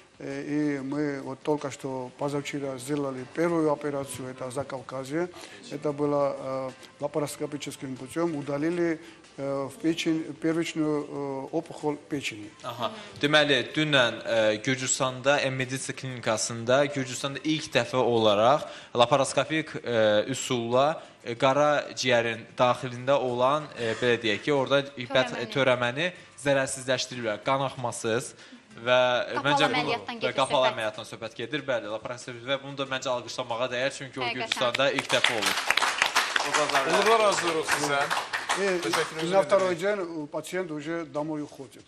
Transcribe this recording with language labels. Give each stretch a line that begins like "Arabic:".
Russian: И мы вот только что позавчера сделали первую операцию, это за Кавказе. Это было лапароскопическим путем, удалили в печень, первичную опухоль печени. Ага.
Azerbaijani: Deməli, dünən Gürcüstanda, MMDC klinikasında, Gürcüstanda ilk dəfə olaraq laparoskopik üsulla qara ciyərin daxilində olan, belə deyək ki, orada bət, törəməni zərərsizləşdiriblər, qan axmasız. Və məncə bunu qapalı əməliyyatdan söhbət gedir. Bəli, laparoskopik və bunu da məncə alqışlamağa dəyər, çünki o Gürcüstanda ilk dəfə olur. Uğurlar arzulayırıq sizə.
Russian: И на второй день пациент уже домой уходит.